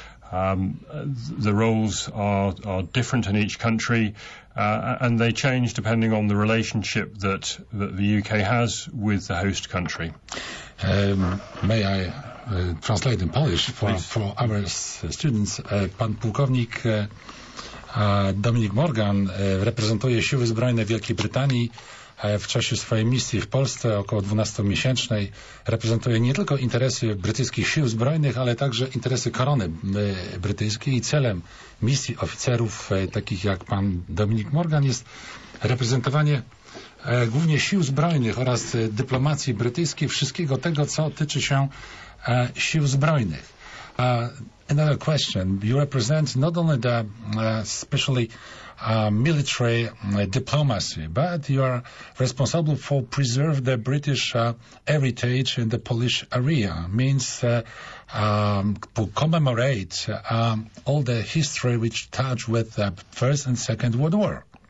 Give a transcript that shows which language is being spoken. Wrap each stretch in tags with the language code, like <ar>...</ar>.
<en>The roles are different in each country, and they change depending on the relationship that the UK has with the host country. May I translate in Polish for our students?</en> <pl>Pan pułkownik Dominic Morgan reprezentuje Siły Zbrojne Wielkiej Brytanii w czasie swojej misji w Polsce, około 12-miesięcznej, reprezentuje nie tylko interesy brytyjskich sił zbrojnych, ale także interesy korony brytyjskiej. I celem misji oficerów, takich jak pan Dominic Morgan, jest reprezentowanie głównie sił zbrojnych oraz dyplomacji brytyjskiej, wszystkiego tego, co tyczy się sił zbrojnych.</pl> <en>Another question. You represent not only the especially military diplomacy, but you are responsible for preserve the British heritage in the Polish area. Means to commemorate all the history which touched with the First and Second World War.</en>